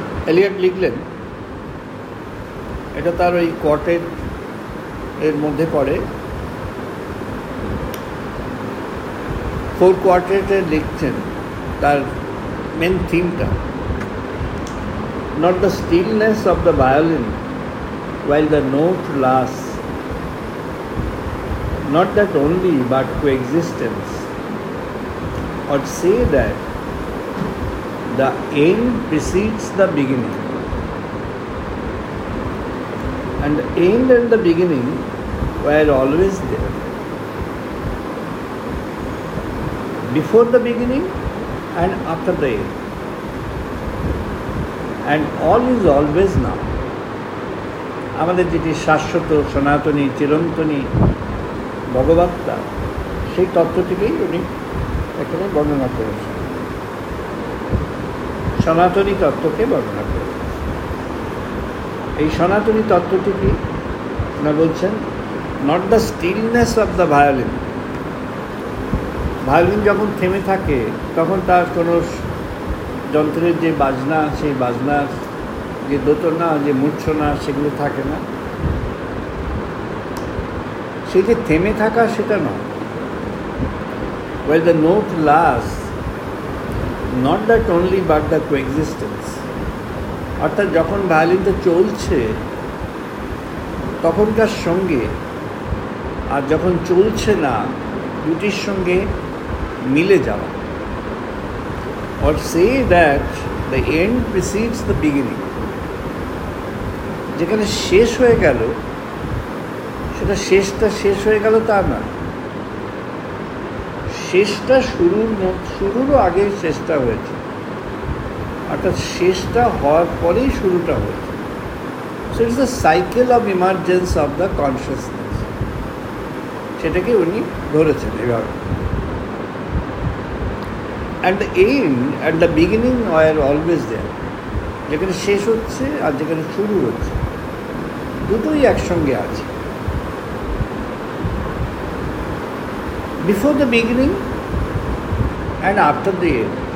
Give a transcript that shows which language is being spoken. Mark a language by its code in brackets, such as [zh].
[bn] Elliot লিখলেন, এটা তার ওই কোয়ার্টেট এর মধ্যে পড়ে, ফোর কোয়ার্টেট এ লিখছেন তার মেন থিমটা, [en] Not the stillness of the violin while the note last, not that only, but coexistence. Or say that the end precedes the beginning. And the end and the beginning were always there. Before the beginning and after the end. And all is always now. [bn] আমাদের যেটি শাশ্বত সনাতনী চিরন্তনী ভগবত্তা সেই তত্ত্বটিকেই উনি এখানে বর্ণনা করেছেন, সনাতনী তত্ত্বকে বর্ণনা করেছেন। এই সনাতনী তত্ত্বটিকে উনি বলছেন [en] Not the stillness of the violin. [bn] Violin যখন থেমে থাকে তখন তার কোনো যন্ত্রের যে বাজনা, সেই বাজনার যে দোতনা, যে মূর্ছনা, সেগুলো থাকে না। সেই যে থেমে থাকা সেটা নয়। [en] Well the note last not that only but the coexistence. [bn] অর্থাৎ যখন ভায়োলিনটা চলছে তখনকার সঙ্গে আর যখন চলছে না দুটির সঙ্গে মিলে যাওয়া। [en] Or say that the end precedes the beginning. [bn] যেখানে শেষ হয়ে গেল সেটা শেষটা শেষ হয়ে গেল তা না, শেষটা শুরুরও আগে শেষটা হয়েছে, অর্থাৎ শেষটা হওয়ার পরেই শুরুটা হয়েছে। [en] so it's the cycle of emergence of the consciousness, [bn] সেটাকে উনি ধরেছেন এভাবে। [en] And the end and the beginning are always there. [bn] যেখানে শেষ হচ্ছে আর যেখানে শুরু হচ্ছে দুটোই একসঙ্গে আছে। [en] Before the beginning and after the end.